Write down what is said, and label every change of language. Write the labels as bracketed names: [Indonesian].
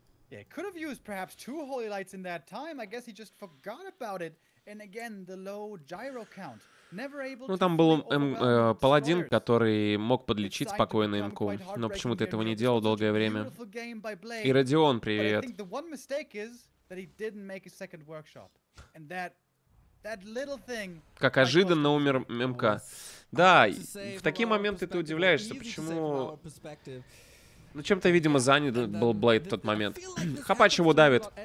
[English] Yeah, could have used perhaps two holy lights in that time. I guess he just forgot about it. And again, the low gyro count. Never able to. [Russian] Ну там был паладин, который мог подлечить спокойно имку, но почему-то этого не делал долгое время. И Родион, привет. [English] The one mistake is that he didn't make a second workshop. And that little thing. [Russian] Как ожиданно умер МК. Да, в такие моменты ты удивляешься, почему. Ну, чем-то, видимо, занят был Блейд в тот момент. Хапач его давит.